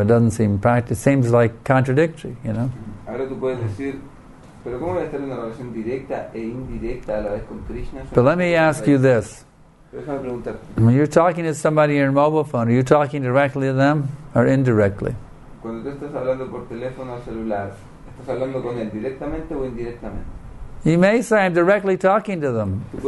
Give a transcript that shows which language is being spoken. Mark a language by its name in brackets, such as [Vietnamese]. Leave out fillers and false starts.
[English] It doesn't seem practical. It seems like contradictory, you know? But let me ask you this. When you're talking to somebody on your mobile phone, are you talking directly to them or indirectly? [Spanish] Cuando tú estás hablando por teléfono o celular, ¿estás hablando con él directamente o indirectamente? [English] You may say, I'm directly talking to them.